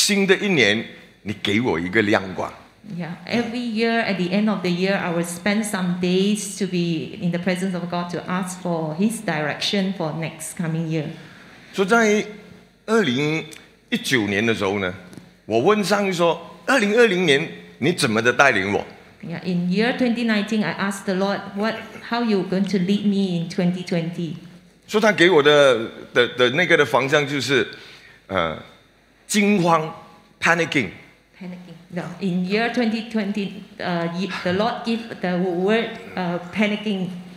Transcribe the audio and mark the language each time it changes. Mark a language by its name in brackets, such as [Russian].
[Chinese] 我每一年呢，都会在年尾的时候，我都会寻求上帝，新的一年，你给我一个亮光。 [English] Yeah, every year at the end of the year, I will spend some days to be in the presence of God to ask for His direction for next coming year. [Chinese] 所以在2019年的时候呢，我问上帝说：“2020年，你怎么的带领我？” [English] Yeah, in year 2019, I asked the Lord, "What? How you going to lead me in 2020?" [Chinese] 所以他给我的那个的方向就是，惊慌 panicking. [English] No, in year 2020, the Lord gave the word panicking.